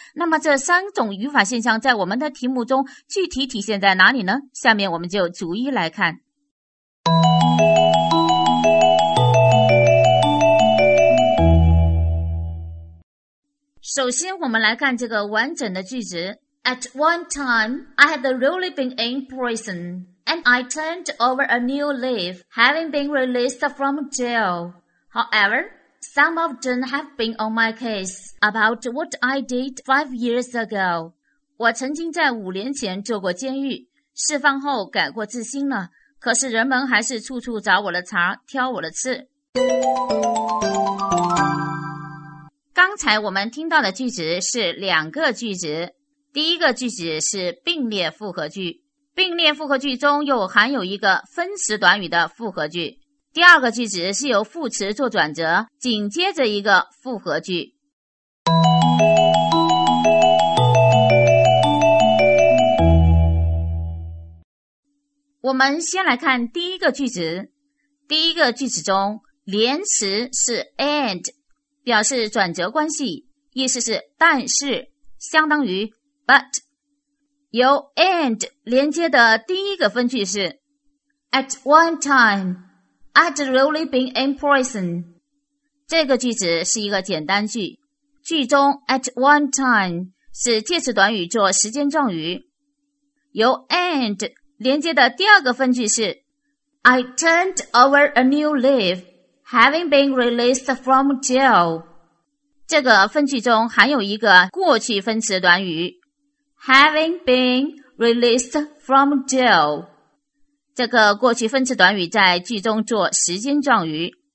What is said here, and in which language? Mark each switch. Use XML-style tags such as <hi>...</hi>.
<zh>那么这三种语法现象在我们的题目中具体体现在哪里呢？下面我们就逐一来看。首先我们来看这个完整的句子。</zh> <en>At one time, I had really been in prison. And I turned over a new leaf, having been released from jail. However, some of them have been on my case about what I did 5 years ago.</en> <zh>我曾经在五年前坐过监狱，释放后改过自新了，可是人们还是处处找我的茬，挑我的刺。刚才我们听到的句子是两个句子，第一个句子是并列复合句。并列复合句中又含有一个分词短语的复合句。第二个句子是由副词做转折，紧接着一个复合句。我们先来看第一个句子。第一个句子中，连词是 and， 表示转折关系，意思是但是，相当于 but。由 and 连接的第一个分句是</zh> <en>At one time, I'd really been in prison.</en> <zh>这个句子是一个简单句。句中</zh> <en>at one time</en> <zh>是介词短语做时间状语。由 and 连接的第二个分句是</zh> <en>I turned over a new leaf, having been released from jail.</en> <zh>这个分句中含有一个过去分词短语。</zh> <en>Having been released from jail.</en> <zh>这个过去分词短语在句中做时间状语。</zh>